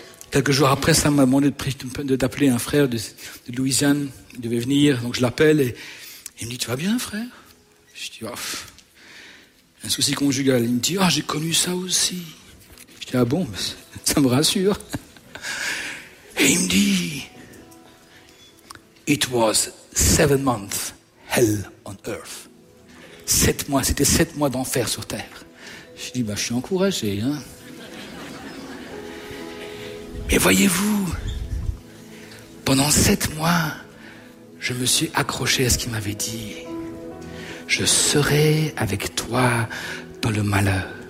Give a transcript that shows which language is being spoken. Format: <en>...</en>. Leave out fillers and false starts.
<fr>Quelques jours après, ça m'a demandé d'appeler un frère de Louisiane, il devait venir, donc je l'appelle et il me dit, tu vas bien, frère? Je dis, oh, un souci conjugal. Il me dit, oh, j'ai connu ça aussi. Je dis, ah bon, ça me rassure. Et il me dit,</fr> <en>it was 7 months hell on earth.</en> <fr>7 mois, c'était 7 mois d'enfer sur terre. Je dis, bah, je suis encouragé, hein. Mais voyez-vous, pendant 7 mois, je me suis accroché à ce qu'il m'avait dit. Je serai avec toi dans le malheur.</fr>